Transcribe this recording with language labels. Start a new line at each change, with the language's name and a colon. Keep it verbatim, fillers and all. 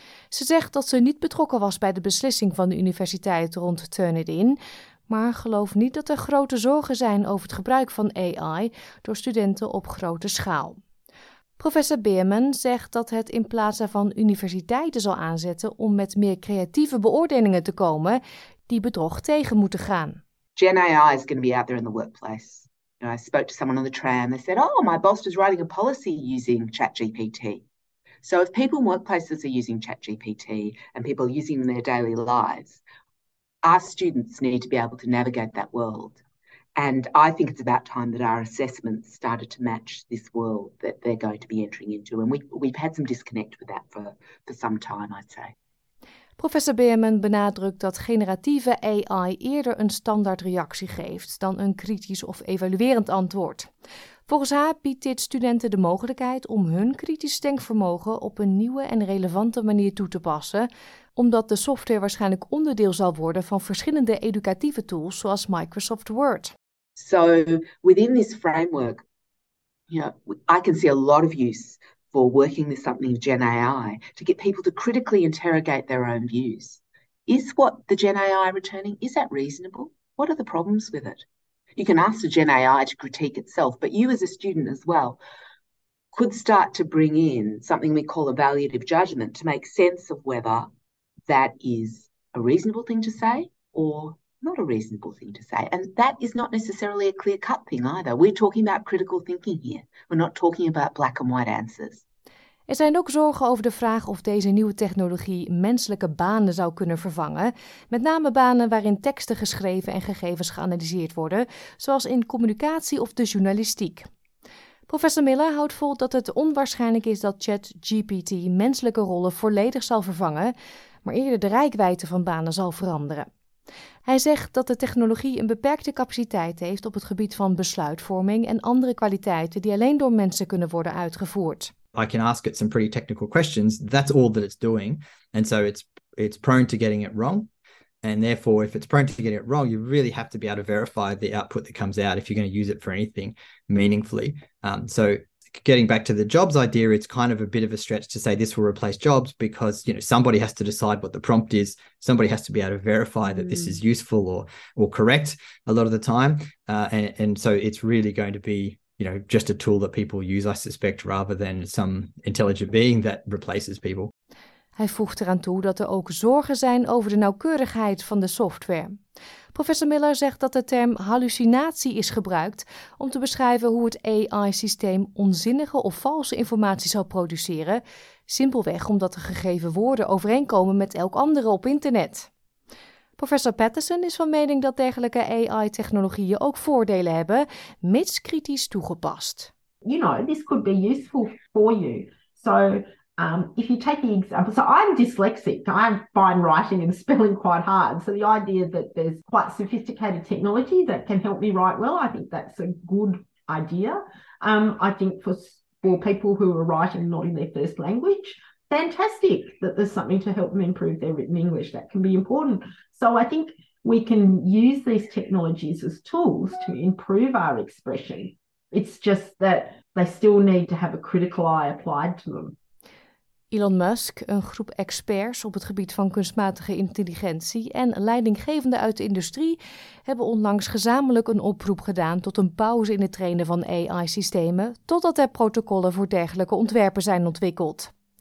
Dutch: Ze zegt dat ze niet betrokken was bij de beslissing van de universiteit rond Turnitin, maar gelooft niet dat er grote zorgen zijn over het gebruik van A I door studenten op grote schaal. Professor Behrman zegt dat het in plaats daarvan universiteiten zal aanzetten om met meer creatieve beoordelingen te komen die bedrog tegen moeten gaan.
English: Gen A I is going to be out there in the workplace. You know, I spoke to someone on the tram. They said, "Oh, my boss is writing a policy using ChatGPT." So if people in workplaces are using ChatGPT and people are using them in their daily lives, our students need to be able to navigate that world. And I think it's about time that our assessments started to match this world that they're going to be entering into. And we, we've had some disconnect with that for, for some time, I'd say.
Dutch: Professor Behrman benadrukt dat generatieve A I eerder een standaardreactie geeft dan een kritisch of evaluerend antwoord. Volgens haar biedt dit studenten de mogelijkheid om hun kritisch denkvermogen op een nieuwe en relevante manier toe te passen, omdat de software waarschijnlijk onderdeel zal worden van verschillende educatieve tools zoals Microsoft Word.
English: So within this framework, you know, I can see a lot of use for working with something with Gen A I to get people to critically interrogate their own views. Is what the Gen A I returning, is that reasonable? What are the problems with it? You can ask the Gen A I to critique itself, but you as a student as well could start to bring in something we call evaluative judgment to make sense of whether that is a reasonable thing to say or not a reasonable thing to say. And that is not necessarily a clear-cut thing either. We're talking about critical thinking here. We're not talking about black and white answers.
Dutch: Er zijn ook zorgen over de vraag of deze nieuwe technologie menselijke banen zou kunnen vervangen. Met name banen waarin teksten geschreven en gegevens geanalyseerd worden, zoals in communicatie of de journalistiek. Professor Miller houdt vol dat het onwaarschijnlijk is dat ChatGPT menselijke rollen volledig zal vervangen, maar eerder de reikwijdte van banen zal veranderen. Hij zegt dat de technologie een beperkte capaciteit heeft op het gebied van besluitvorming en andere kwaliteiten die alleen door mensen kunnen worden uitgevoerd.
English: I can ask it some pretty technical questions. That's all that it's doing. And so it's it's prone to getting it wrong. And therefore, if it's prone to getting it wrong, you really have to be able to verify the output that comes out if you're going to use it for anything meaningfully. Um, so getting back to the jobs idea, it's kind of a bit of a stretch to say this will replace jobs because, you know, somebody has to decide what the prompt is. Somebody has to be able to verify that mm. this is useful or or correct a lot of the time. Uh, and, and so it's really going to be, you know, just a tool that people use, I suspect, rather than some intelligent being that replaces people.
Dutch: Hij voegt eraan toe dat er ook zorgen zijn over de nauwkeurigheid van de software. Professor Miller zegt dat de term hallucinatie is gebruikt om te beschrijven hoe het A I-systeem onzinnige of valse informatie zou produceren, simpelweg omdat de gegeven woorden overeenkomen met elk andere op internet. Professor Patterson is van mening dat dergelijke A I-technologieën ook voordelen hebben, mits kritisch toegepast.
English: You know, this could be useful for you. So um, if you take the example, so I'm dyslexic. I find writing and spelling quite hard. So the idea that there's quite sophisticated technology that can help me write well, I think that's a good idea. Um, I think for, for people who are writing not in their first language, fantastic that there's something to help them improve their written English. That can be important. So I think we can use these technologies as tools to improve our expression. It's just that they still need to have a critical eye applied to them.
Dutch: Elon Musk, een groep experts op het gebied van kunstmatige intelligentie en leidinggevenden uit de industrie, hebben onlangs gezamenlijk een oproep gedaan tot een pauze in het trainen van A I-systemen, totdat er protocollen voor dergelijke ontwerpen zijn ontwikkeld.